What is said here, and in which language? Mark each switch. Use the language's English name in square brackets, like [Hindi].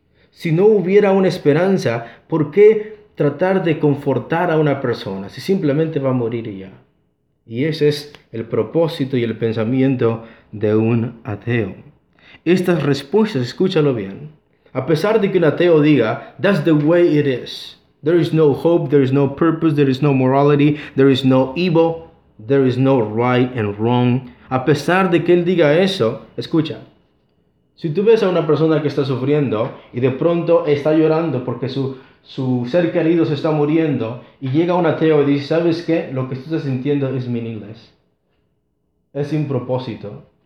[Spanish] Si no hubiera una esperanza, ¿por qué tratar de confortar a una persona si simplemente va a morir ya? Y ese es el propósito y el pensamiento de un ateo. Estas respuestas, escúchalo bien. A pesar de que un ateo diga, [English] that's the way it is. There is no hope, there is no purpose, there is no morality, there is no evil, there is no right and wrong. [Spanish] A pesar de que él diga eso, escucha. Si tú ves a una persona que está sufriendo y de pronto está llorando porque su ser querido se está muriendo y llega un ateo y dice, ¿sabes qué? Lo que tú estás sintiendo es [English] meaningless. [Spanish] Es sin propósito.